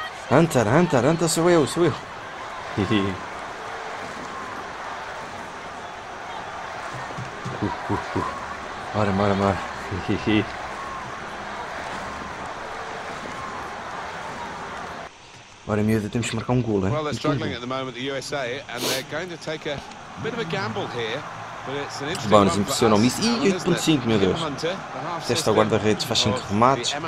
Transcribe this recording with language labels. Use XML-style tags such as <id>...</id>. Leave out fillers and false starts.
<pt>Hunter, Hunter, Hunter, sou eu, sou eu. Bora, bora, bora. Ora, miúda, temos que marcar um golo, hein?</pt> <en>Well, they're struggling at the moment, the USA, and they're going to take a bit of a gamble here.</en> <pt>Bom, nos impressionou o míssil. Ih, 8.5, meu Deus. Testa ao guarda-redes, faz 5 remates.</pt>